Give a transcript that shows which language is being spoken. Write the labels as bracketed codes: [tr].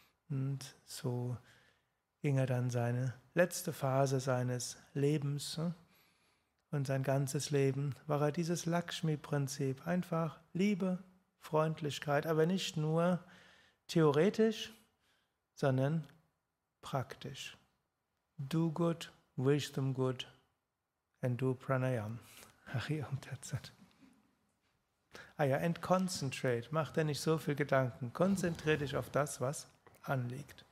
[de] Und so ging er dann seine letzte Phase seines Lebens und sein ganzes Leben war er dieses Lakshmi-Prinzip. Einfach Liebe, Freundlichkeit, aber nicht nur theoretisch, sondern praktisch. [en] Do good, wish them good and do pranayam. [sa] Hari Om Tat Sat. [de] Ah ja, [en] and concentrate. [de] Mach dir nicht so viel Gedanken. Konzentriere dich auf das, was anliegt.